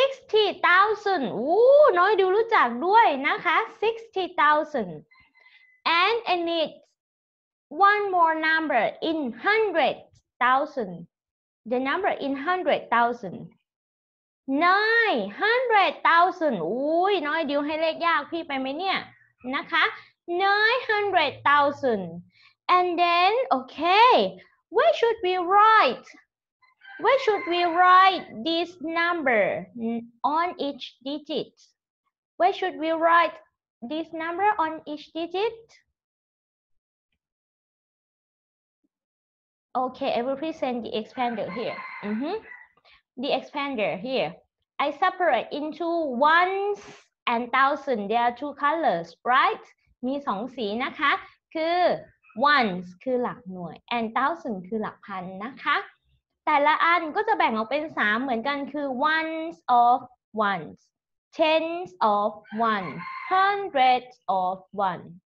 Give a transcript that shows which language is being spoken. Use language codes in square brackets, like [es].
[en] 60,000 ooh [th] น้อยดูรู้จักด้วยนะคะ [en] 60,000And I need one more number in 100,000. The number in 100,000. 900,000. [th] อุ้ยน้อยดิวให้เลขยากพี่ไปไหมเนี่ยนะคะ 900,000. [en] And then, okay, where should we write? Where should we write this number on each digit? Where should we write this number on each digit? Okay, I will present the expander here. Mm-hmm. The expander here. I separate into ones and thousand. There are two colors, right? [th] มีสองสีนะคะคือ ones คือหลักหน่วย and thousand คือหลักพันนะคะแต่ละอันก็จะแบ่งออกเป็น3เหมือนกันคือ [en] ones of ones, tens of one, hundreds of one.